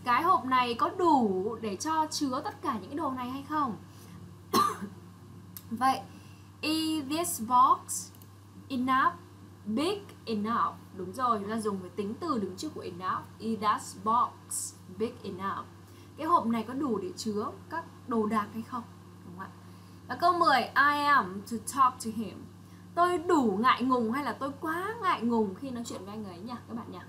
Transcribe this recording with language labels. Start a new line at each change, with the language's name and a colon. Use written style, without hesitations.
Vietnamese: Cái hộp này có đủ để cho chứa tất cả những cái đồ này hay không?
English: Vậy, is this box enough, big enough?
Vietnamese: Đúng rồi, chúng ta dùng với tính từ đứng trước của enough.
English: Is this box big enough?
Vietnamese: Cái hộp này có đủ để chứa các đồ đạc hay không? Đúng không ạ? Và câu 10,
English: I am to talk to him.
Vietnamese: Tôi đủ ngại ngùng hay là tôi quá ngại ngùng khi nói chuyện với anh ấy nhỉ các bạn nhỉ?